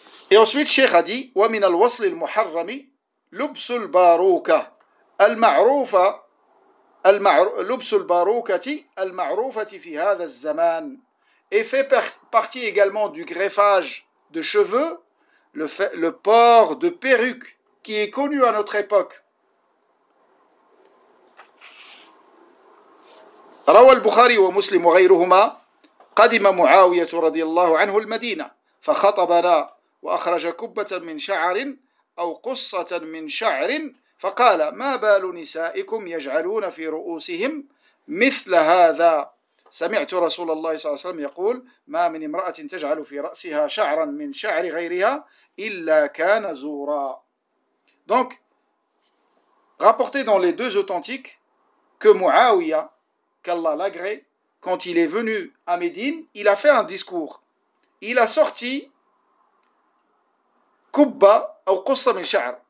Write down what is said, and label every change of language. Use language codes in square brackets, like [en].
[fr] Et ensuite, Cheikh a dit [ar] وَمِنَ الْوَصْلِ الْمُحَرَّمِ لُبْسُ الْبَارُوكَ الْمَعْرُوفَ لُبْسُ الْبَارُوكَةِ الْمَعْرُوفَةِ فِي هَذَا الزَّمَانِ, [fr] et fait partie également du greffage de cheveux le port de perruques qui est connu à notre époque. [ar] روى البخاري ومسلم وغيرهما قدم معاوية رضي الله عنه المدينة فخطبنا وأخرج كبة من شعر أو قصة من شعر فقال ما بال نسائكم يجعلون في رؤوسهم مثل هذا سمعت رسول الله صلى الله عليه وسلم يقول ما من امرأة تجعل في رأسها شعرا من شعر غيرها إلا كان زورا. [fr] Donc, rapporté dans les deux authentiques que Muawiya, qu'Allah l'agré, quand il est venu à Médine, il a fait un discours. Il a sorti kubba ou qussa [ar] min sha'r.